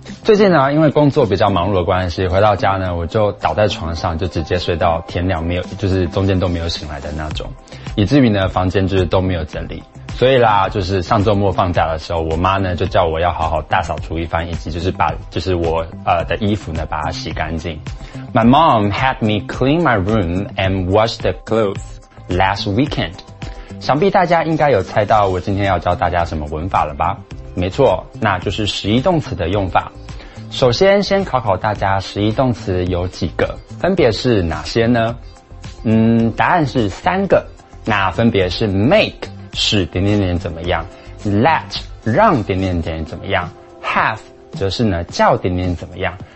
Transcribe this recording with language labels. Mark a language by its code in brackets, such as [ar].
[zh] 最近呢，因为工作比较忙碌的关系，回到家呢，我就倒在床上，就直接睡到天亮，没有，就是中间都没有醒来的那种。以至于呢，房间就是都没有整理，所以啦，就是上周末放假的时候，我妈呢就叫我要好好大扫除一番，以及就是把就是我的衣服呢把它洗干净。 [en] My mom had me clean my room and wash the clothes last weekend。 [zh] 想必大家应该有猜到我今天要教大家什么文法了吧？没错，那就是实义动词的用法。首先，先考考大家，实义动词有几个，分别是哪些呢？答案是三个。那分别是 make 是点点点怎么样 ，let 让点点点怎么样 ，have 则是呢叫点点怎么样。